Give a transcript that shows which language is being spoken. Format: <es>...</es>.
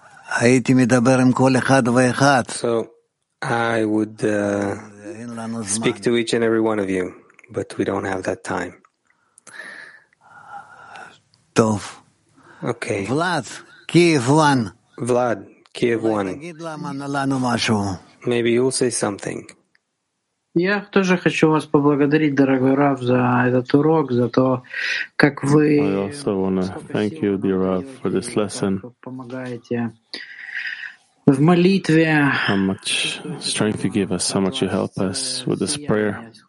<en>So, I would speak to each and every one of you, but we don't have that time.</en> <he>Tov.</he> <en>Okay. Vlad, Kiev 1. Vlad, Kiev 1. Maybe you'll say something.</en> <ru>Я тоже хочу вас поблагодарить, дорогой Рав, за этот урок, за то, как вы...</ru> <en>I also want to thank you, dear Rav, for this lesson.</en> <ru>Помогаете в молитве.</ru> <en>How much strength you give us, how much you help us with this prayer.</en>